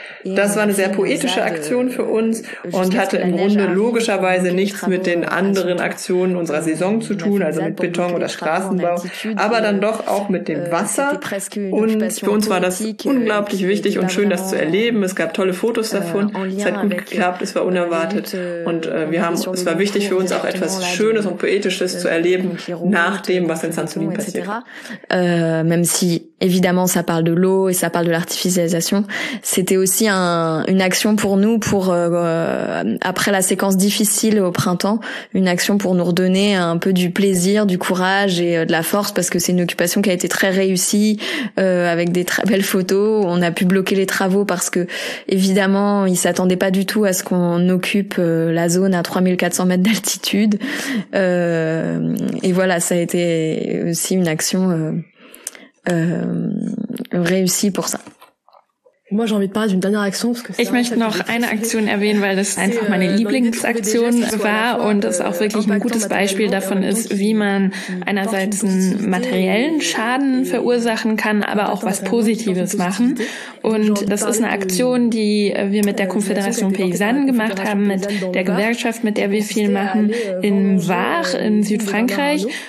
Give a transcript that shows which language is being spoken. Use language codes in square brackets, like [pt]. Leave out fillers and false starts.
[de] Das war eine sehr poetische Aktion für uns und hatte im Grunde logischerweise nichts mit den anderen Aktionen unserer Saison zu tun, also mit Beton oder Straßenbau, aber dann doch auch mit dem Wasser. Und für uns war das unglaublich wichtig und schön, das zu erleben. Es gab tolle Fotos davon, es hat gut geklappt, es war unerwartet. Und es war wichtig für uns auch etwas Schönes und Poetisches zu erleben, nach dem, was in Sainte-Soline passiert. [fr] Même si, évidemment, ça parle de l'eau et ça parle de l'artificialisation, c'était aussi une action pour nous, pour après la séquence difficile au printemps, une action pour nous redonner un peu du plaisir, du courage et de la force, parce que c'est une occupation qui a été très réussie, avec des très belles photos. On a pu bloquer les travaux parce que, évidemment, ils s'attendaient pas du tout à ce qu'on occupe la zone à 3400 mètres d'altitude. Et voilà, ça a été aussi une action réussi pour ça. Moi, j'ai envie de parler d'une dernière action, parce que [de] ich möchte noch eine Aktion erwähnen, weil das einfach meine Lieblingsaktion war und das auch wirklich ein gutes Beispiel davon ist, wie man einerseits einen materiellen Schaden verursachen kann, aber auch was Positives machen. Und das ist eine Aktion, die wir mit der Confédération Paysanne gemacht haben, mit der Gewerkschaft, mit der wir viel machen, in Var, in Südfrankreich.